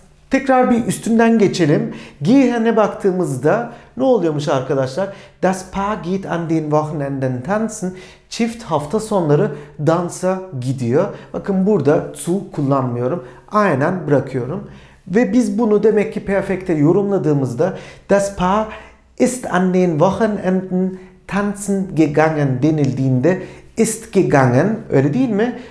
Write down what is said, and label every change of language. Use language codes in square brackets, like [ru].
[tr] Tekrar bir üstünden geçelim. Gehen'e baktığımızda ne oluyormuş arkadaşlar? [de] Das Paar geht an den Wochenenden tanzen. [tr] Çift hafta sonları dansa gidiyor. Bakın burada zu kullanmıyorum. Aynen bırakıyorum. Ve biz bunu demek ki perfekte yorumladığımızda [de] Das Paar ist an den Wochenenden tanzen gegangen [tr] denildiğinde [de] ist gegangen [tr] öyle değil mi?